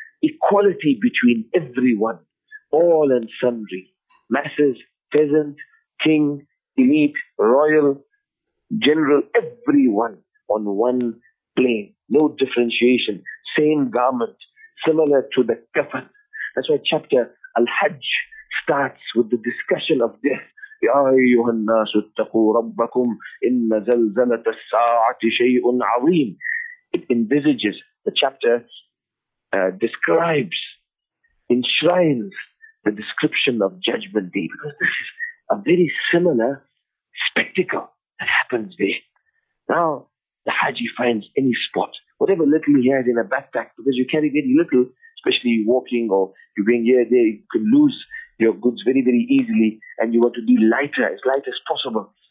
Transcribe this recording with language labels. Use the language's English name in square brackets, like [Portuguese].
[English] Equality between everyone, all and sundry, masses, peasant, king, elite, royal, general, everyone on one plane. No differentiation, same garment, similar to the kafan. That's why chapter Al-Hajj starts with the discussion of death. [Arabic] يا أيها الناس اتقوا ربكم إن زلزلة الساعة شيء عظيم. [English] It envisages, the chapter describes, enshrines the description of Judgment Day, because this is a very similar spectacle that happens there. Now, the Haji finds any spot, whatever little he has in a backpack, because you carry very little, especially walking or you're going here, there, you can lose your goods very, very easily, and you want to be lighter, as light as possible.